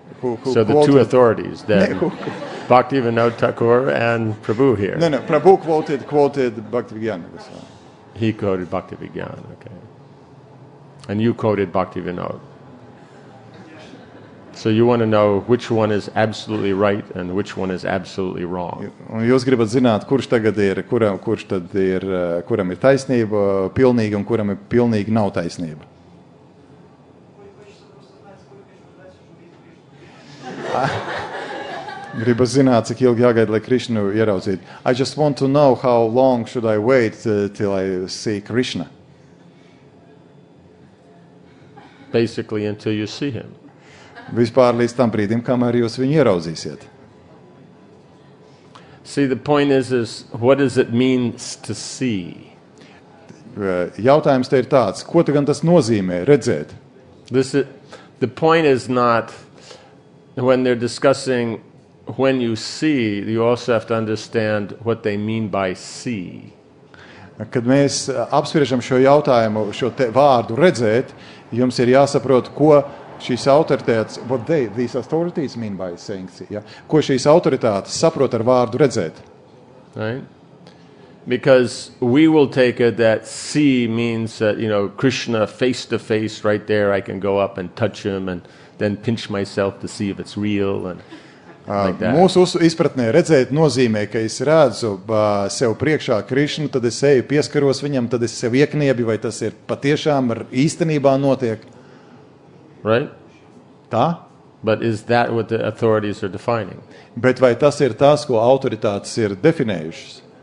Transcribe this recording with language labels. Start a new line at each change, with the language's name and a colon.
English: Who so the two authorities then, Bhaktivinoda Thakur and Prabhu here. No, Prabhu quoted Bhaktivinoda Goswami. He quoted Bhaktivinoda, okay. And you quoted Bhaktivinoda. So you want to know which one is absolutely right and which one is absolutely wrong.
Latvian: Jūs gribat zināt, kurš tagad ir, kurš tad ir, kuram ir taisnība pilnīgi un kuram ir pilnīgi nav taisnība. Gribat zināt, cik ilgi jāgaida, lai Krišnu ieraudzīt.
English: I just want to know how long should I wait till I see Krishna. Basically until you see him.
Latvian: Vispār līdz tam brīdim, kamēr jūs viņu ieraudzīsiet.
English: See, the point is what does it mean to see?
Latvian: Jautājums te ir tāds, ko te gan tas nozīmē redzēt?
English: The point is not when they're discussing when you see, you also have to understand what they mean by see.
Latvian: Kad mēs apspriežam šo jautājumu, šo te vārdu redzēt, jums ir jāsaprot, ko šīs autoritātes,
English: what they, these authorities mean by saying, yeah?
Latvian: Ko šīs autoritātes saprot ar vārdu redzēt?
English: Right? Because we will take it that see means that, you know, Krishna face to face right there, I can go up and touch him and then pinch myself to see if it's real and like that.
Latvian: Mūsu izpratnē redzēt nozīmē, ka es redzu sev priekšā Krishnu, tad es eju pieskaros viņam, tad es sev ieknieju, vai tas ir patiešām ar īstenībā notiek.
English: Right?
Latvian: Tā?
English: But is that what the authorities are defining?
Latvian: Bet vai tas ir tas, ko autoritātes ir definējušas?